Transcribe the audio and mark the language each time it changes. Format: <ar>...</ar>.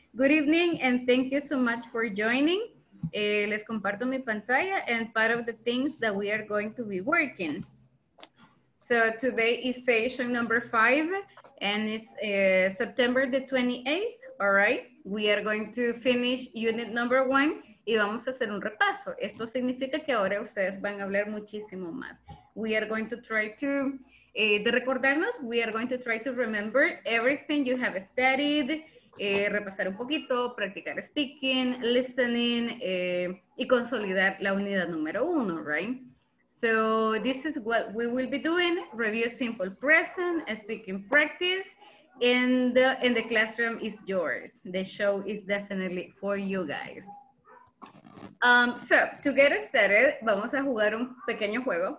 <en>Good evening and thank you so much for joining. Les comparto mi pantalla and part of the things that we are going to be working. So today is session number 5 and it's September the 28th, all right? We are going to finish unit number 1 y vamos a hacer un repaso.</en> <es>Esto significa que ahora ustedes van a hablar muchísimo más.</es> <en>We are going to try to, de recordarnos, we are going to try to remember everything you have studied, repasar un poquito, practicar speaking, listening, y consolidar la unidad número 1, right? So this is what we will be doing, review simple present, speaking practice, and in the classroom is yours. The show is definitely for you guys. So to get started, vamos a jugar un pequeño juego.</en>